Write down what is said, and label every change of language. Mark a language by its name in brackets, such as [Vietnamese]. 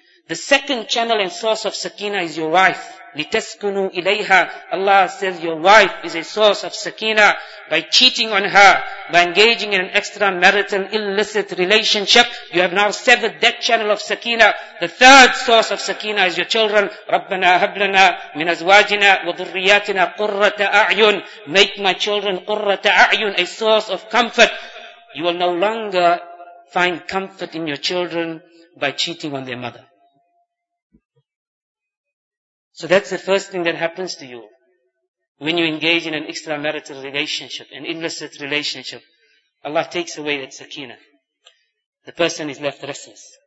[English] The second channel and source of sakina is your wife. [Arabic] لِتَسْكُنُوا إِلَيْهَا [English] Allah says your wife is a source of sakina. By cheating on her, by engaging in an extramarital illicit relationship, you have now severed that channel of sakina. The third source of sakina is your children. [Arabic] رَبَّنَا هَبْلَنَا مِنْ أَزْوَاجِنَا وَذُرِّيَاتِنَا قُرَّةَ أَعْيُن [English] Make my children [Arabic] قُرَّةَ أَعْيُن [English] a source of comfort. You will no longer find comfort in your children by cheating on their mother. So that's the first thing that happens to you when you engage in an extramarital relationship, an illicit relationship. Allah takes away that sakina. The person is left restless.